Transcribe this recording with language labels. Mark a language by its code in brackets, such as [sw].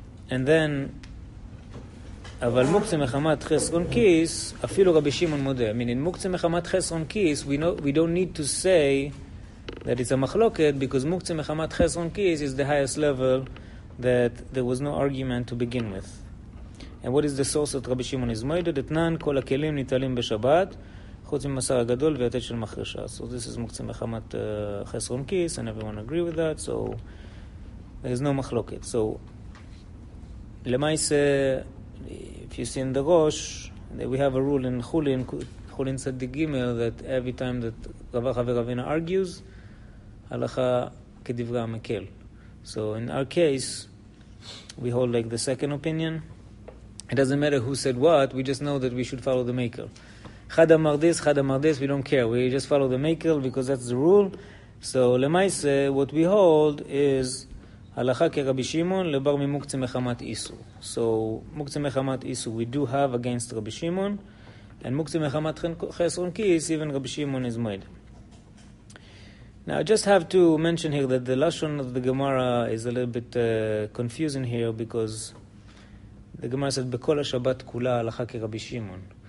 [en] And then [he] אבל מוקצה מחמת חסרון כיס אפילו רבי שמעון מודה. [en] I mean, in מוקצה מחמת חסרון כיס, we don't need to say that it's a מחלוקת, because מוקצה מחמת חסרון כיס is the highest level that there was no argument to begin with. And what is the source that רבי שמעון is מודה? [he] דתנן כל הכלים ניטלים בשבת חוץ ממסר הגדול ויתד של מחרשה. [en] So this is מוקצה מחמת חסרון כיס, and everyone agree with that, so there is no מחלוקת. So למעשה, if you see in the Rosh, we have a rule in Chulin Tzadik Gimel, that every time that Rav Acha v'Ravina argues, Halacha k'divrei HaMekel. So in our case, we hold like the second opinion. It doesn't matter who said what, we just know that we should follow the Maker. Chad amar this, chad amar this, we don't care. We just follow the Maker because that's the rule. So lemaise, what we hold is [he] הלכה כרבי שמעון לבר ממוקצה מחמת איסור. [en] So מוקצה מחמת איסור we do have against רבי שמעון, and מוקצה מחמת חסרון כיס even רבי שמעון is made. Now I just have to mention here that the lashon of the Gemara is a little bit confusing here, because the Gemara said [he] בכל השבת כולה הלכה כרבי שמעון.